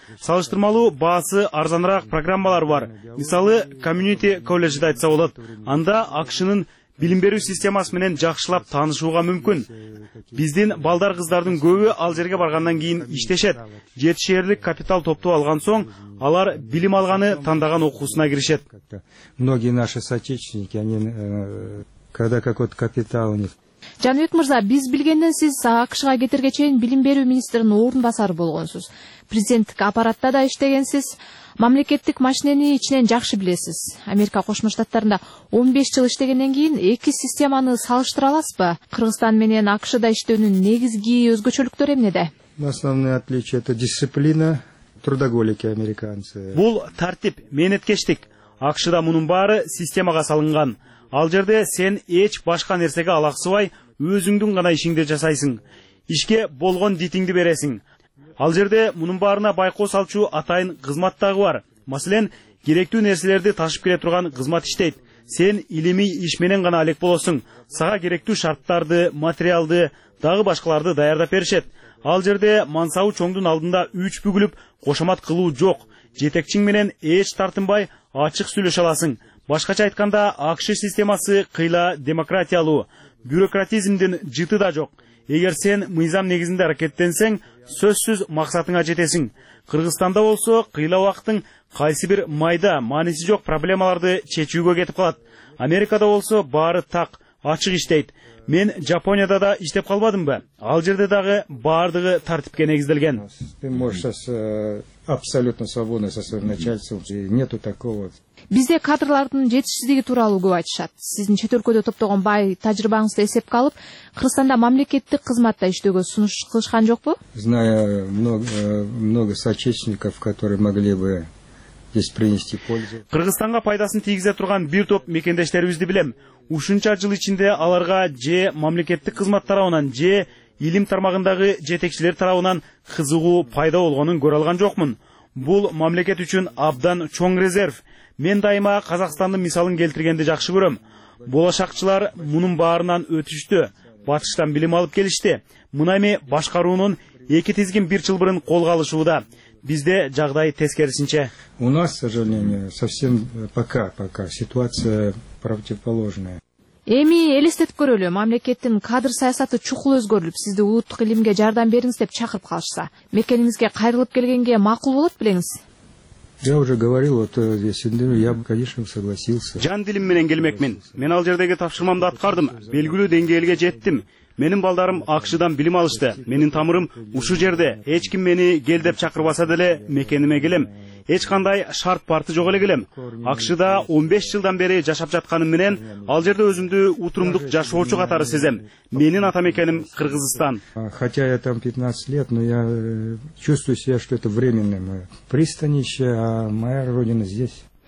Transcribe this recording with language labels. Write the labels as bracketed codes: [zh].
[ky] Салыштырмалуу баасы арзаныраак программалар бар. Мисалы, Community College'де айтса болот. Анда АКШ'нын билим берүү системасы менен жакшылап таанышууга мүмкүн. Биздин балдар кыздардын көбү ал жерге баргандан кийин иштешет. Жетишерлик капитал топтоп алган соң алар билим алганы тандаган окуусуна киришет. [ru] Многие наши соотечественники, они когда какой-то капитал у них. [ky] Жаныбек мырза, биз билгенден сиз АКШ'га кетерге чейин билим берүү министринин орун басары болгонсуз. Президенттик аппаратта да иштегенсиз. Мамлекеттик машинени ичинен жакшы билесиз. Америка Кошмо Штаттарында 15 жыл иштегенден кийин эки системаны салыштыра аласызбы? Кыргызстан менен АКШ'да иштөөнүн негизги өзгөчөлүктөрү эмнеде? [ru] Основное отличие это дисциплина, трудоголики американцы. [ky] Бул тартип, мээнеткечтик. АКШ'да мунун баары системага салынган. Ал жерде сен эч башка нерсеге алаксыбай, өзүңдүн гана ишиңди жасайсың. Ишке болгон дитиңди бересиң. Ал жерде мунун баарына байкоо салчу атайын кызмат дагы бар. Маселен, керектүү нерселерди ташып келе турган кызмат иштейт. Сен илимий иш менен гана алек болосуң. Сага керектүү шарттарды, материалды, дагы башкаларды даярдап беришет. Ал жерде мансабы чоңдун алдында үч бүгүлүп кошомат кылуу жок. Жетекчиң менен эч тартынбай ачык сүйлөшө аласың. Башкача айтканда, АКШ системасы кыйла демократиялуу. Бюрократизмдин жыты да жок. Эгер сен мыйзам негизинде аракеттенсең, сөзсүз максатыңа жетесиң. Кыргызстанда болсо, кыйла убактын кайсы бир майда, мааниси жок проблемаларды чечүүгө кетип калат. Америкада болсо, баары так, ачык иштейт. Мен Жапонияда да иштеп калбадымбы? Ал жерде дагы баардыгы тартипке негизделген. [ru] Ты можешь абсолютно свободно со своим начальством, нету такого. [ky] Бизде кадрлардын жетишсиздиги тууралуу көп айтышат. Сиздин чет өлкөдө топтогон бай тажрыйбаңызды эсепке алып, Кыргызстанда мамлекеттик кызматта иштөөгө сунуш кылышкан жокпу? [ru] Зная много соотечественников, которые могли бы здесь принести пользу. [ky] Кыргызстанга пайдасын тийгизе турган бир топ мекендештерибизди билем. Ушунча жыл ичинде аларга же мамлекеттик кызмат тарабынан же илим тармагындагы жетекчилер тарабынан кызыгуу пайда болгонун көрө алган жокмун. Бул мамлекет үчүн абдан чоң резерв. Мен дайыма Казакстандын мисалын келтиргенди жакшы көрөм. Болошакчылар мунун баарынан өтүштү, батыштан билим алып келишти. Мына эми башкаруунун эки тизгин бир чылбырын колго алышууда. Бизде жагдай тескерисинче. [ru] У нас, к сожалению, совсем пока ситуация противоположная. [ky] Эми элестетип көрөлү, мамлекеттин кадр саясаты чукул өзгөрүлүп, сизди улуттук илимге жардам бериңиз деп чакырып калышса, мекениңизге кайрылып келгенге макул болот белеңиз? [ru] Я уже говорил, вот я бы, конечно, согласился. [ky] Жан дилим менен келмекмин. Мен ал жердеги тапшырмамды аткардым, белгилүү деңгээлге жеттим. Менин балдарым АКШ'дан билим алышты. Менин тамырым ушул жерде. Эч ким мени кел деп чакырбаса деле мекениме келем. Эч кандай шарт парты жок эле келем. АКШ'да 15 жылдан бери жашап жатканым менен ал жерде өзүмдү утурумдук жашоочу катары сезем. Менин ата мекеним Кыргызстан. [ru] Хотя я там 15 лет, но я чувствую себя, что это временное пристанище, а моя родина здесь.